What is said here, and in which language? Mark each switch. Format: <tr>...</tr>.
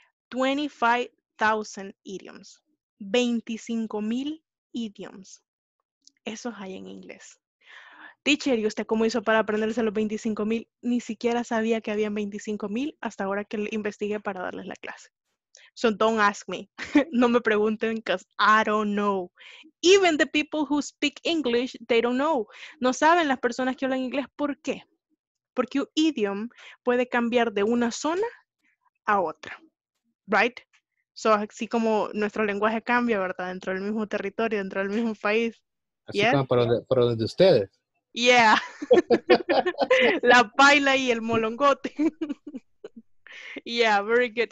<en>25,000 idioms. 25,000 idioms.</en> <es>Esos hay en inglés. Teacher, ¿y usted cómo hizo para aprenderse los 25,000? Ni siquiera sabía que habían 25,000 hasta ahora que investigué para darles la clase.</es> <en>So don't ask me.</en> <es>No me pregunten</es> <en>because I don't know. Even the people who speak English, they don't know.</en> <es>No saben las personas que hablan inglés. ¿Por qué? Porque un idiom puede cambiar de una zona a otra.</es> <en>Right?</en> <es>So así como nuestro lenguaje cambia, ¿verdad? Dentro del mismo territorio, dentro del mismo país. Así yeah? Para donde ustedes. Yeah. La paila y el molongote.</es> <en>Yeah, very good.</en>